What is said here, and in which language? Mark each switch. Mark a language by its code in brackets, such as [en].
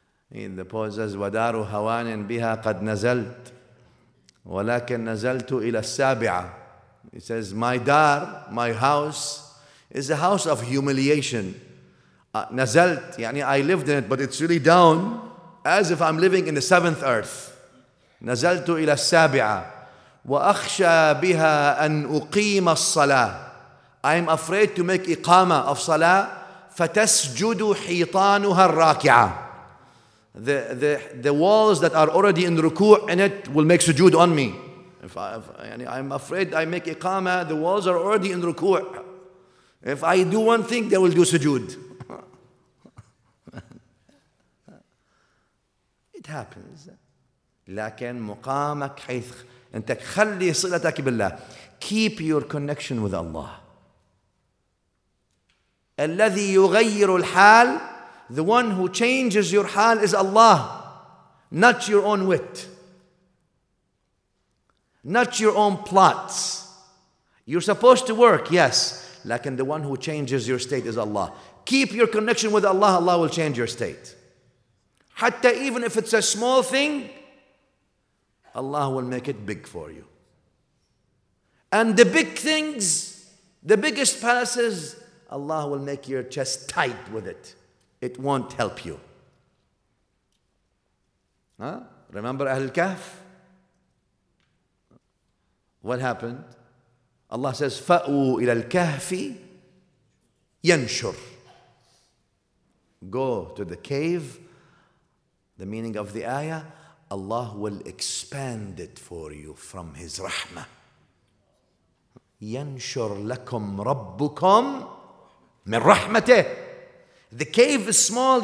[en] In the poet says, [ar] وَدَارُ هَوَانٍ بِهَا قَدْ نَزَلْتُ وَلَكِنْ نَزَلْتُ إِلَى السَّابِعَةِ. [en] He says, my dar, my house, is a house of humiliation. [ar] نَزَلْتُ, يعني [en] I lived in it, but it's really down. As if I'm living in the seventh earth. [ar] نزلت إلى السابعة وأخشى بها أن أقيم الصلاة. [en] I'm afraid to make إقامة of صلاة. [ar] فتسجد حيطانها الراكعة. [en] The walls that are already in ركوع in it will make sujood on me. I'm afraid I make إقامة, the walls are already in ركوع. If I do one thing, they will do sujood. It happens. [ar] لكن مقامك حيث انت خلي صلتك بالله. [en] keep your connection with Allah. [ar] الَّذِي يُغَيِّرُ الْحَالِ, [en] the one who changes your hal is Allah, not your own wit, not your own plots. You're supposed to work, yes, [ar] لكن [en] the one who changes your state is Allah. Keep your connection with Allah, Allah will change your state. [ar] حتى [en] even if it's a small thing, Allah will make it big for you. And the big things, the biggest palaces, Allah will make your chest tight with it. It won't help you. Huh? Remember Ahl al-Kahf? What happened? Allah says, [ar] فَأُوا إِلَى الْكَهْفِ يَنْشُرْ. [en] Go to the cave. The meaning of the ayah, Allah will expand it for you from His rahmah. [ar] يَنْشُرْ لَكُمْ رَبُّكُمْ مِنْ رَحْمَتِهِ. [en] The cave is small.